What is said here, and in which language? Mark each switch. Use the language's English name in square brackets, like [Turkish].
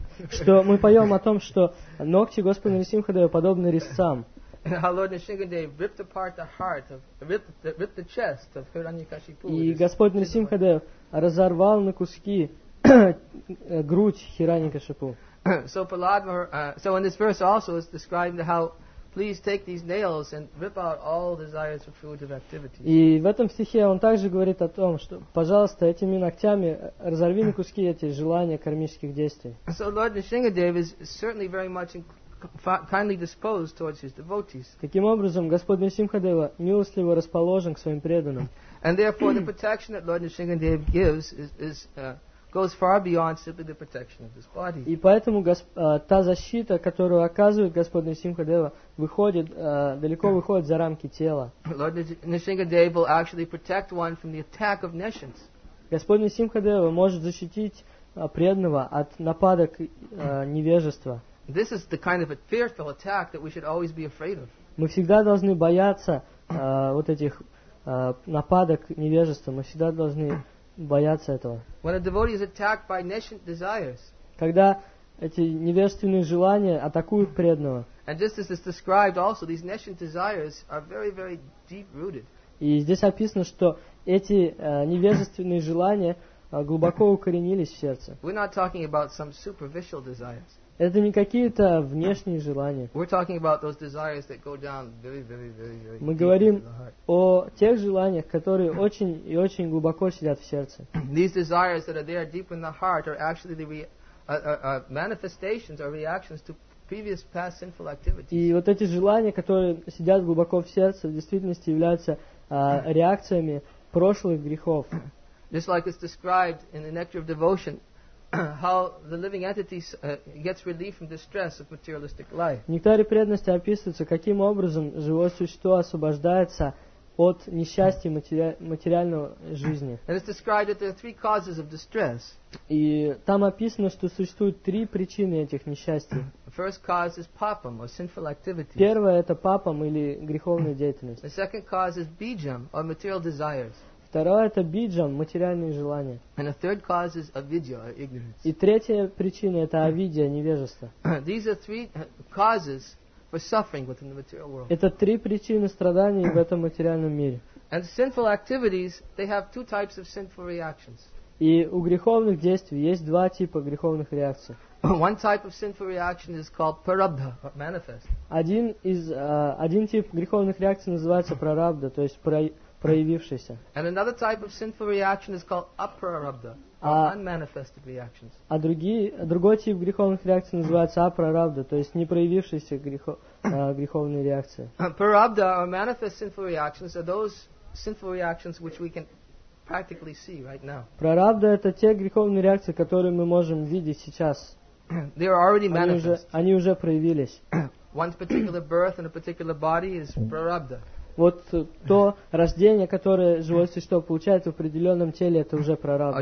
[Russian] Что мы поем о том, что ногти Господа Нрисимхадева подобны резцам. [English] How Lord Nrisimhadev ripped apart the heart of ripped the chest of Hiranyakashipu. [Russian] И Господь Нрисимхадев разорвал на куски грудь Хираньякашипу. [English] So Prahlad, so in this verse also is described how please take these nails and rip out all desires for fruitive activities. [Russian] И в этом стихе он также говорит о том, что пожалуйста, этими ногтями разорви на куски эти желания кармических действий. [English] So Lord Nrisimhadev is certainly very much kindly disposed towards his devotees. [Russian] Таким образом, Господь Нрисимхадева милостиво расположен к своим преданным. [English] And therefore, the protection that Lord Nrisimhadev gives goes far beyond simply the protection of his body. [Russian] И поэтому та защита, которую оказывает Господь Нрисимхадева, выходит за рамки тела. [English] Lord Nrisimhadev will actually protect one from the attack of nations. [Russian] Господь Нрисимхадева может защитить преданного от нападок невежества. [English] This is the kind of a fearful attack that we should always be afraid of. [Russian] Мы всегда должны бояться вот этих нападок невежества. Мы всегда должны бояться этого. [English] When a devotee is attacked by nascent desires. [Russian] Когда эти невежественные желания атакуют преданного. [English] And just as is described also, these nascent desires are very, very deep rooted. [Russian] И здесь описано, что эти невежественные желания глубоко укоренились в сердце. [English] We're not talking about some superficial desires. [Russian] Это не какие-то внешние желания. [English] We're talking about those desires that go down very, very, very, very. [Russian] Мы говорим о тех желаниях, которые очень и очень глубоко сидят в сердце. [English] These desires that are there deep in the heart are actually the manifestations or reactions to previous past sinful activities. [Russian] И вот эти желания, которые сидят глубоко в сердце, в действительности являются реакциями прошлых грехов. [English] Just like it's described in the Nectar of Devotion. How the living entity gets relief from the stress of materialistic life. [Russian] Нектаре преданности описывается, каким образом живое существо освобождается от несчастья материального жизни. [English] And it's described that there are three causes of distress. [Russian] И там описано, что существуют три причины этих несчастий. [English] First cause is papam or sinful activity. [Russian] Первое это папам или греховная деятельность. [English] The second cause is bijam or material desires. [Russian] Второе это биджам, материальные желания. [English] And the third cause is avidya, ignorance. [Russian] И третья причина это авидия, невежество. [English] These are three causes for suffering within the material world. [Russian] Это три причины страданий в этом материальном мире. [English] And sinful activities, they have two types of sinful reactions. [Russian] И у греховных действий есть два типа греховных реакций. [English] One type of sinful reaction is called prarabdha, manifest. [Russian] Один тип греховных реакций называется прарабдха, то есть проявившийся. [English] And another type of sinful reaction is called апрарабдха, unmanifested reactions. [Russian] А другой тип греховных реакций называется апрарабдха, то есть не проявившиеся греховные реакции. [English] Прарабдха or manifest sinful reactions are those sinful reactions which we can practically see right now. [Russian] Прарабдха это те греховные реакции, которые мы можем видеть сейчас. [English] They are already manifest. [Russian] Они уже проявились. [English] One particular birth in a particular body is prarabdha. [Russian] Вот то рождение, которое живое существо получает в определенном теле, это уже прарабдха.